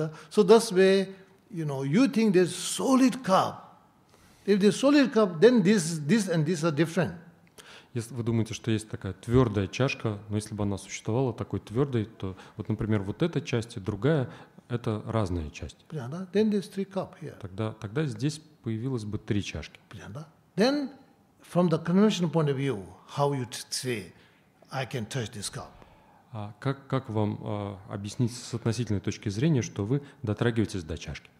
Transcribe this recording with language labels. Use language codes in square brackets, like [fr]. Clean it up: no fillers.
[en] So that's why, you know, you think there's solid cup. If there's solid cup, then this and this are different. [ru] Если вы думаете, что есть такая твердая чашка, но если бы она существовала такой твердой, то вот, например, вот эта часть и другая – это разные части. Понятно? [en] Then there's three cup here. [ru] Тогда здесь появилось бы три чашки. Понятно? [en] Then, from the conventional point of view, how you say I can touch this cup. [ru] Как вам объяснить с относительной точки зрения, что вы дотрагиваетесь до чашки?